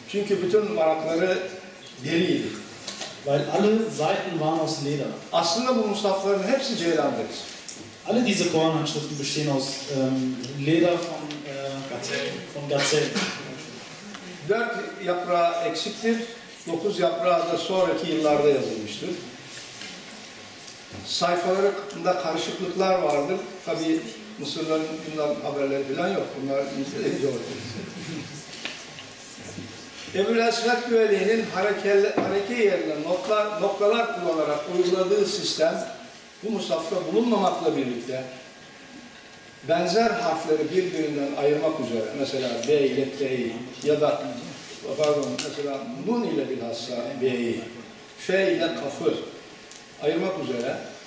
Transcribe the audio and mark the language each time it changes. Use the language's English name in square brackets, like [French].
[Turkish] Çünkü bütün varakları deriydi. [German] Weil alle Seiten waren aus Leder. [Turkish] Aslında bu musafların hepsi ceylandır. [German] Alle diese Koranhandschriften bestehen aus Leder von Gazelle. [Turkish] Dört yaprağı eksiktir. Dokuz yaprağı da sonraki yıllarda yazılmıştır. Sayfalarında karışıklıklar vardır. Tabii Mısırların bundan haberleri falan yok. Bunlar bizde de yok. Ebu'l Esved Güveli'nin hareke yerine noktalar kullanarak uyguladığı sistem bu musafta bulunmamakla birlikte benzer harfleri birbirinden ayırmak üzere mesela B ile T'yi ya da pardon mesela Nun ile bilhassa B'yi F ile Kaf'ı ayırmak üzere